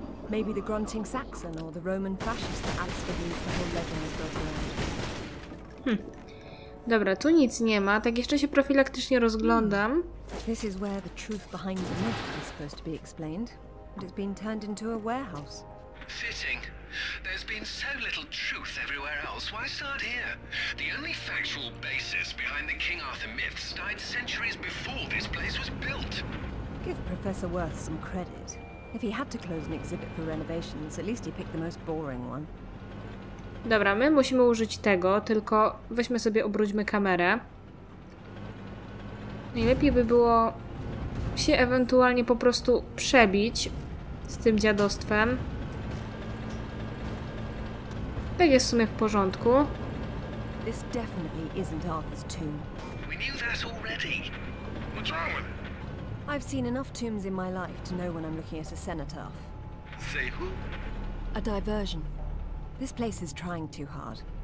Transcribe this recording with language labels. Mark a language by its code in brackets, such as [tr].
[en] Maybe the grunting Saxon or the Roman fascist that Alistair used the whole legend is built around. [pl] Dobra, tu nic nie ma, tak jeszcze się profilaktycznie rozglądam. [en] This is where the truth behind the myth is supposed to be explained, but it's been turned into a warehouse. Fitting. There's been so little truth everywhere else. Why start here? The only factual basis behind the King Arthur myths died centuries before this place was built. Give Professor Worth some credit. If he had to close an exhibit for renovations, at least he picked the most boring one. [pl] Dobra, my musimy użyć tego, tylko weźmy sobie, obróćmy kamerę. Najlepiej by było się ewentualnie po prostu przebić z tym dziadostwem. Tak jest w sumie w porządku. [en] This definitely isn't Arthur's tomb. We knew that already. What's wrong with it? I've seen enough tombs in my life to know when I'm looking at a cenotaph. Say who? A diversion. This place is trying too hard.